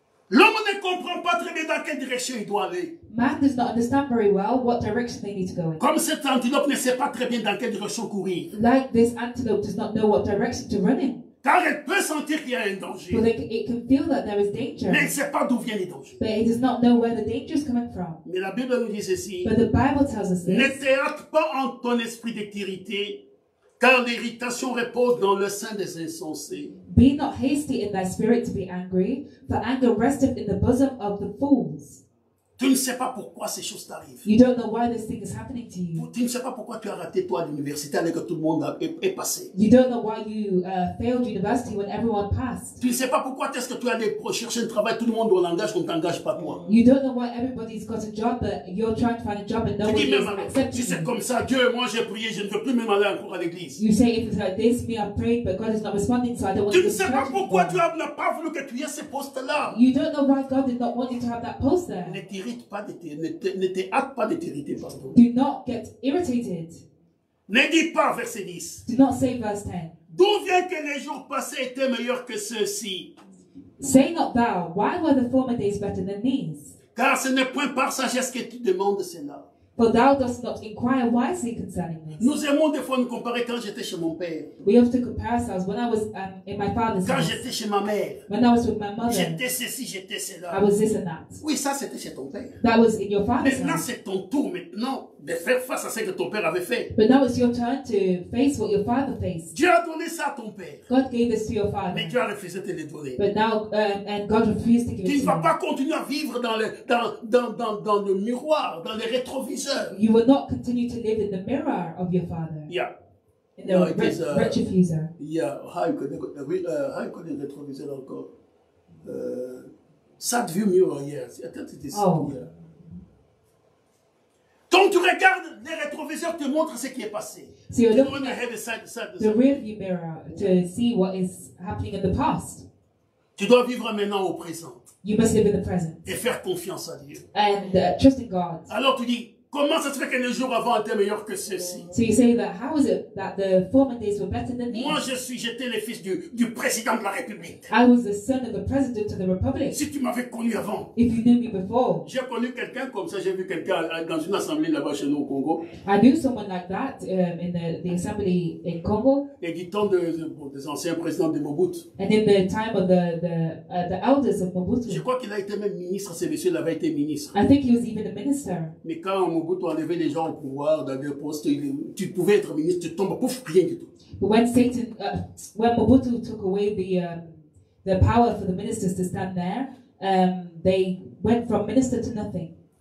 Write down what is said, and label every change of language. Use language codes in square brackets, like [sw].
[fr] L'homme ne comprend pas très bien dans quelle direction il doit aller. [en] Man does not understand very well what direction they need to go in. [fr] Comme cette antilope ne sait pas très bien dans quelle direction courir. [en] Like this antelope does not know what direction to run in. [fr] Car elle peut sentir qu'il y a un danger. [en] But it can feel that there is danger. [fr] Mais elle ne sait pas d'où vient le danger. [en] But it does not know where the danger is coming from. [fr] Mais la Bible nous dit ceci. [en] But the Bible tells us this. [fr] Ne te hâte pas en ton esprit d'irrité, car l'irritation repose dans le sein des insensés. [en] Be not hasty in thy spirit to be angry, for anger resteth in the bosom of the fools. [fr] Tu ne sais pas pourquoi ces choses t'arrivent. [en] You don't know why this thing is happening to you. [fr] Tu ne sais pas pourquoi tu as raté toi à l'université alors que tout le monde est passé. [en] You don't know why you failed university when everyone passed. [fr] Tu ne sais pas pourquoi est-ce que tu allais chercher un travail tout le monde en engage, on ne t'engage pas toi. [en] You don't know why everybody's got a job but you're trying to find a job and nobody is accepting you. [fr] Si c'est comme ça, Dieu, moi j'ai prié, je ne veux plus même aller encore à l'église. [en] You say if it's like this, me I prayed but God is not responding, so I don't want to go to church. [fr] Tu ne sais pas pourquoi Dieu n'a pas voulu que tu aies ce poste là. [en] You don't know why God did not want you to have that post there. Do not get irritated. [fr] Ne dis pas verset 10. [en] Do not say verse 10. [fr] D'où vient que les jours passés étaient meilleurs que ceux-ci? [en] Say not thou, why were the former days better than these? [fr] Car ce n'est point par sagesse que tu demandes cela. [en] For thou dost not inquire wisely concerning this. [fr] Nous aimons des fois nous comparer quand j'étais chez mon père. [en] We often compare ourselves when I was in my father's [fr] quand [en] house. [fr] Quand j'étais chez ma mère. [en] When I was with my mother. [fr] J'étais ceci, j'étais cela. [en] I was this and that. [fr] Oui, ça c'était chez ton père. [en] That was in your father's [fr] maintenant, [en] house. [fr] Maintenant c'est ton tour maintenant de faire face à ce que ton père avait fait. [en] But now it's your turn to face what your father faced. [fr] Dieu a donné ça à ton père. [en] God gave this to your father. [fr] Mais Dieu a refusé de le donner. [en] But now and God refused to give [fr] tu [en] you. [fr] Tu ne vas pas continuer à vivre dans le miroir, dans les rétroviseurs. [en] You will not continue to live in the mirror of your father. Yeah. In the retrovisor. Yeah. How could the retrovisor encore? Side view mirror, yes. [fr] Quand tu regardes les rétroviseurs, te montrent ce qui est passé. [en] So you're looking at the rear view mirror to see what is happening in the past. [fr] Tu dois vivre maintenant au présent. [en] You must live in the present. [fr] Et faire confiance à Dieu. [en] And trust in God. [fr] Alors tu dis, Comment ça se fait que les jours avant étaient meilleurs que ceci? [en] So you say that how is it that the former days were better than these? [fr] Moi je suis, j'étais le fils du président de la République. [en] I was the son of the president of the Republic. [fr] Si tu m'avais connu avant. [en] If you knew me before. [fr] J'ai connu quelqu'un comme ça. J'ai vu quelqu'un dans une assemblée là-bas chez nous au Congo. [en] I knew someone like that in the assembly in Congo. [fr] Et du temps des anciens présidents de Mobutu. [en] And in the time of the elders of Mobutu. [fr] Je crois qu'il a été même ministre. Ce monsieur l'avait été ministre. [en] I think he was even a minister. [fr] Mais quand Mobutu enlevait les gens au pouvoir dans leur poste, tu pouvais être ministre, tu tombes pouf, rien du tout. [en] But when Satan, when Mobutu took away the power for the ministers to stand there, they went from minister to nothing.